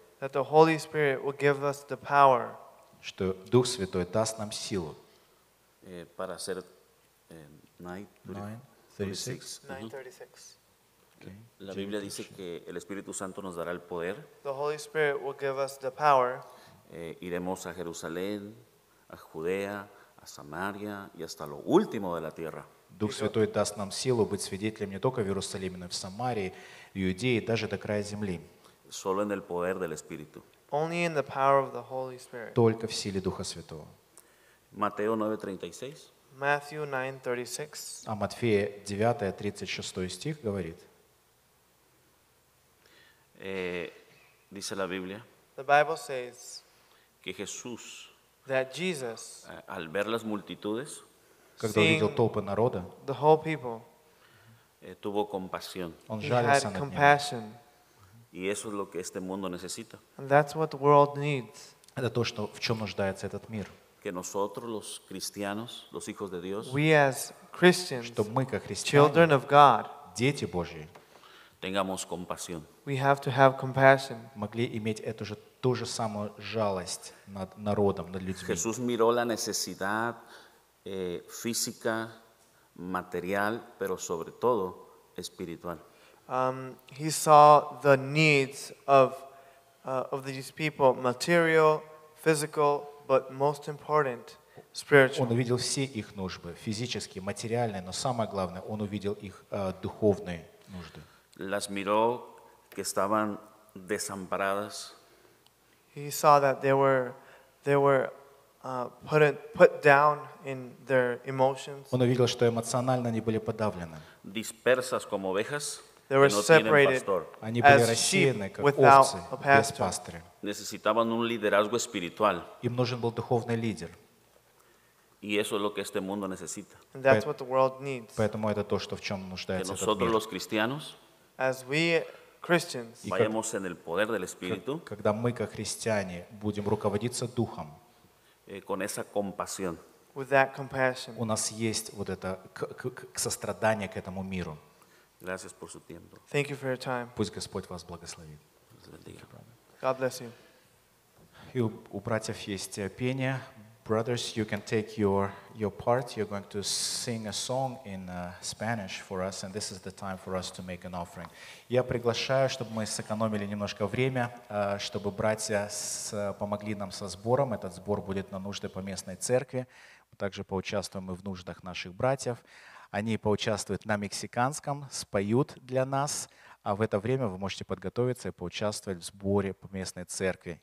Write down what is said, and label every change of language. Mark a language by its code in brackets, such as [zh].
[en] that the Holy Spirit will give us the power, [ru] что Дух Святой даст нам силу, [es] para hacer, 9:36. [en] Okay. [es] La Biblia dice que el Espíritu Santo nos dará el poder. [en] The Holy Spirit will give us the power. [es] Iremos a Jerusalén, a Judea, a Samaria y hasta lo último de la tierra. [ru] Дух Святой даст нам силу быть свидетелем не только в Иерусалиме, но и в Самарии, в Иудее, даже до края земли. [es] Solo en el poder del Espíritu. [en] Only in the power of the Holy Spirit. [ru] Только в силе Духа Святого. [es] Mateo 9:36. [en] Matthew 9:36. [ru] А Матфея 9:36 стих говорит. [es] Dice la Biblia. [en] The Bible says. [es] Que Jesús. [en] That Jesus. [es] Al ver las multitudes. [ru] Когда увидел толпы народа. [en] The whole people. [es] Тuvo compasión. [ru] Он жалился над ними. [en] He had compassion. [es] Y eso es lo que este mundo necesita. [en] And that's what the world needs. [ru] Это то, что в чем нуждается этот мир. [es] que nosotros los cristianos, los hijos de Dios, [en] we as Christians, [ru] чтобы мы как христиане, [en] children of God, [ru] дети Божьи, [es] тengamos compasión. [en] We have to have compassion. [ru] Могли иметь эту же ту же самую жалость над народом, над людьми. [es] Jesús miró la necesidad física, material, pero sobre todo espiritual. [en] He saw the needs of these people, material, physical, but most important, spiritual. [ru] Он увидел все их нужды, физические, материальные, но самое главное, он увидел их духовные нужды. [es] Las miró que estaban desamparadas. [en] He saw that they were put down in their emotions. [ru] Он увидел, что эмоционально они были подавлены. [es] Dispersas como ovejas. [en] They were separated [ru] они были рассеяны, как овцы, без пастыря. [es] Necesitaban un liderazgo espiritual. [ru] Им нужен был духовный лидер. [es] Y eso es lo que este mundo necesita. [en] And that's what the world needs. [ru] Поэтому это то, что в чем нуждается этот мир. [es] Que nosotros los cristianos, [en] as we Christians, [es] vayamos en el poder del Espíritu, [ru] когда мы, как христиане, будем руководиться Духом, [es] con esa compasión, [en] with that compassion, [ru] у нас есть вот это сострадание к этому миру. [es] Gracias por su tiempo. [en] Thank you for your time. [ru] Пусть Господь вас благословит. [en] God bless you. [ru] И у братьев есть пение. [en] Brothers, you can take your part. You're going to sing a song in Spanish for us, and this is the time for us to make an offering. [ru] Я приглашаю, чтобы мы сэкономили немножко время, чтобы братья помогли нам со сбором. Этот сбор будет на нужды поместной церкви. Также поучаствуем и в нуждах наших братьев. Они поучаствуют на мексиканском, споют для нас. А в это время вы можете подготовиться и поучаствовать в сборе по местной церкви.